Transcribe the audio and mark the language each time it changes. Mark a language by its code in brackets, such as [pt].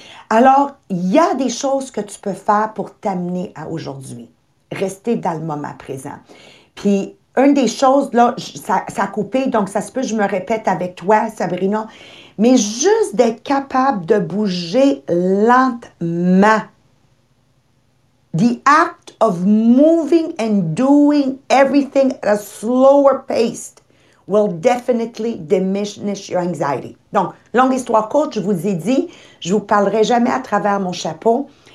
[fr] Alors, il y a des choses que tu peux faire pour t'amener à aujourd'hui. Rester dans le moment présent. Puis, une des choses, là, ça a coupé, donc ça se peut, je me répète avec toi, Sabrina, mais juste d'être capable de bouger lentement. [en] The act of moving and doing everything at a slower pace will definitely diminish your anxiety. [fr] Donc, longue histoire courte, je vous ai dit, je ne vous parlerai jamais à travers mon chapeau.